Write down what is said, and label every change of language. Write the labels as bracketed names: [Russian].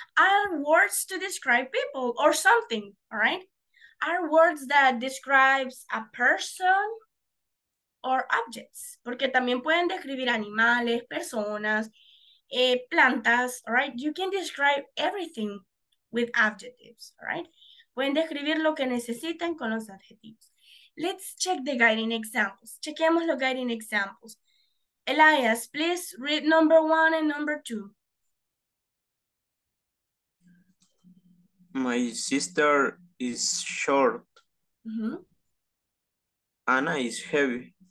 [English] Are words to describe people or something, all right? Are words that describes a person or objects, [Spanish] porque también pueden describir animales, personas, plantas, [English] all right? You can describe everything with adjectives, all right? [Spanish] Pueden describir lo que necesitan con los adjetivos. [English] Let's check the guiding examples. [Spanish] Chequemos los [English] guiding examples. Elias, please read number one and number two. My sister is short. Mm-hmm. Anna is heavy.